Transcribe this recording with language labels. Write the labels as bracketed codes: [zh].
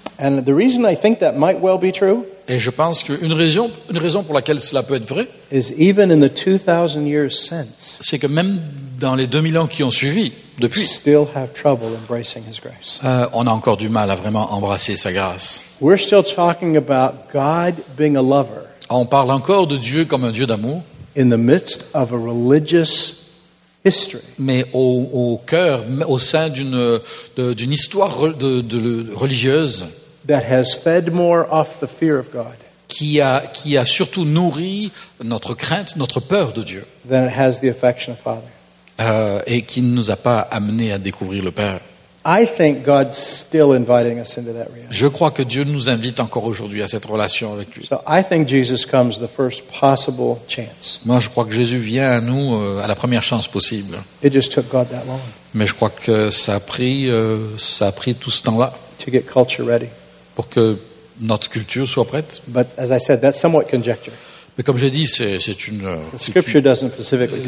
[en] And the reason I think that might well be true. [fr] Et je pense qu'une raison, une raison pour laquelle cela peut être vrai, [en] is even in the 2000 years since, [fr] c'est que même dans les 2000 ans qui ont suivi, depuis, [en] still have trouble embracing His grace. [fr] On a encore du mal à vraiment embrasser sa grâce. [en] We're still talking about God being a lover. [fr] On parle encore de Dieu comme un Dieu d'amour. [en] In the midst of a religious history. [fr] Mais au cœur, au sein d'une histoire de religieuse. [en] That has fed more off the fear of God. [fr] Qui a surtout nourri notre crainte, notre peur de Dieu. [en] Than it has the affection of Father. [fr] Et qui ne nous a pas amené à découvrir le Père. [en] I think God's still inviting us into that reality. [fr] Je crois que Dieu nous invite encore aujourd'hui à cette relation avec lui. [en] So I think Jesus comes the first possible chance. [fr] Moi, je crois que Jésus vient à nous à la première chance possible. [en] It just took God that long. [fr] Mais je crois que ça a pris tout ce temps-là. [en] To get culture ready. [fr] Pour que notre culture soit prête. [en] But as I said, that's somewhat conjecture. [fr] Mais comme j'ai dit, c'est une. [en] The scripture doesn't specifically tell.